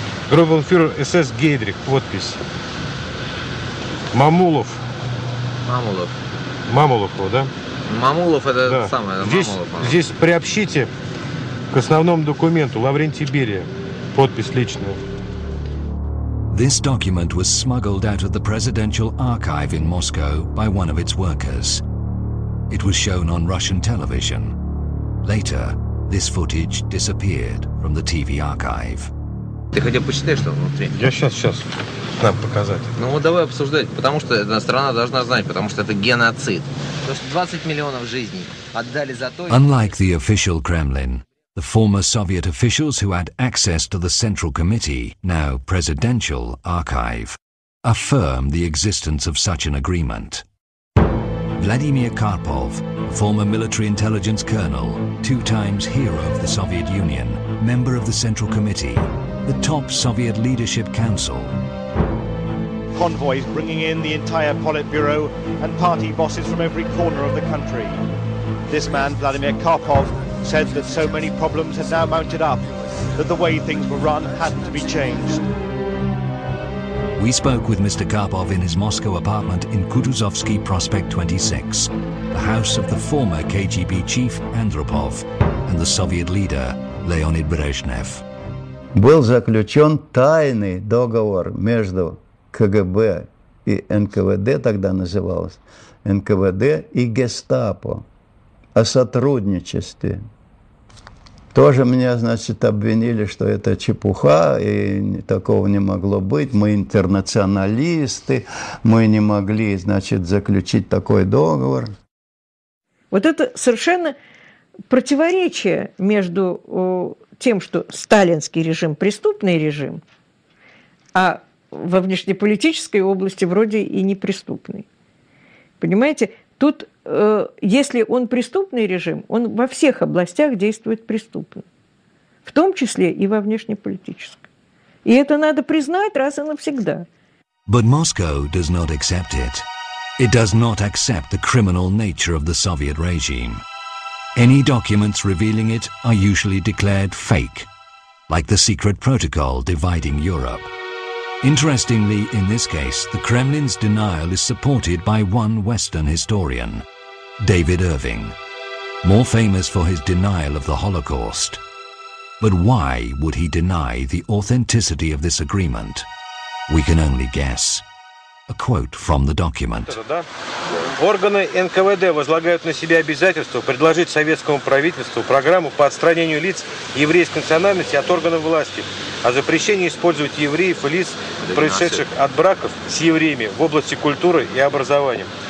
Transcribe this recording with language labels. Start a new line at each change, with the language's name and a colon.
Russian: Группенфюрер СС Гейдрих, подпись. Мамулов. Мамулов. Мамулов, да? Мамулов это да. Самое. Здесь, Мамулов, здесь приобщите к основному документу Лаврентий Берия. Подпись личная.
English: This document was smuggled out of the presidential archive in Moscow by one of its workers. It was shown on Russian television. Later, this footage disappeared from the TV archive.
Russian: Ты хотя бы почитай, что внутри. Я сейчас нам показать. Ну вот давай обсуждать, потому что страна должна знать, потому что это геноцид. То есть 20 миллионов жизней отдали за то...
English: Unlike the official Kremlin, the former Soviet officials who had access to the Central Committee, now presidential archive, affirm the existence of such an agreement. Vladimir Karpov, former military intelligence colonel, two times hero of the Soviet Union, member of the Central Committee, the top Soviet leadership council. Convoys bringing in the entire Politburo and party bosses from every corner of the country. This man, Vladimir Karpov, said that so many problems had now mounted up that the way things were run had to be changed. We spoke with Mr. Karpov in his Moscow apartment in Kutuzovsky Prospect 26, the house of the former KGB chief Andropov, and the Soviet leader, Леонид Брежнев.
Russian: Был заключен тайный договор между КГБ и НКВД, тогда называлось, НКВД и Гестапо о сотрудничестве. Тоже меня, значит, обвинили, что это чепуха, и такого не могло быть. Мы интернационалисты, мы не могли, значит, заключить такой договор. Вот это совершенно противоречие между тем, что сталинский режим – преступный режим, а во внешнеполитической области вроде и неприступный. Понимаете, тут, если он преступный режим, он во всех областях действует преступно, в том числе и во внешнеполитической. И это надо признать раз и навсегда.
English: But Moscow does not accept it. It does not accept the criminal nature of the Soviet regime. Any documents revealing it are usually declared fake, like the secret protocol dividing Europe. Interestingly, in this case, the Kremlin's denial is supported by one Western historian, David Irving, more famous for his denial of the Holocaust. But why would he deny the authenticity of this agreement? We can only guess. A quote from the document.
Russian: Органы НКВД возлагают на себя обязательство предложить советскому правительству программу по отстранению лиц еврейской национальности от органов власти, о запрещении использовать евреев и лиц, происшедших от браков с евреями в области культуры и образования.